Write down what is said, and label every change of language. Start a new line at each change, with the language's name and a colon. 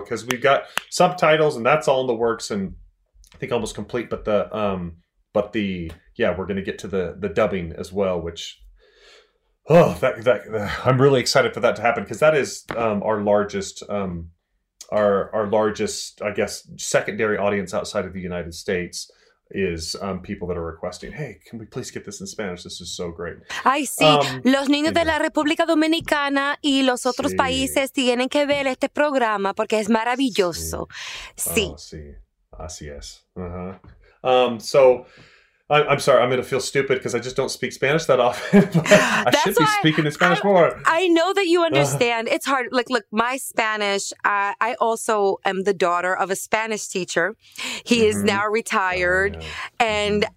English: Cause we've got subtitles and that's all in the works and I think almost complete, but we're going to get to the dubbing as well, which, I'm really excited for that to happen because that is our largest, I guess, secondary audience outside of the United States is people that are requesting, hey, can we please get this in Spanish? This is so great.
Spanish: Ay, sí. Los niños de la República Dominicana y los otros países tienen que ver este programa porque es maravilloso. Sí. Oh, sí. Así es. Uh-huh.
English: I'm sorry, I'm going to feel stupid because I just don't speak Spanish that often. I should be speaking in Spanish more. I know that you understand. It's hard. Look, my Spanish, I also am the daughter of a Spanish teacher. He mm-hmm. is now retired. Oh, yeah. And mm-hmm.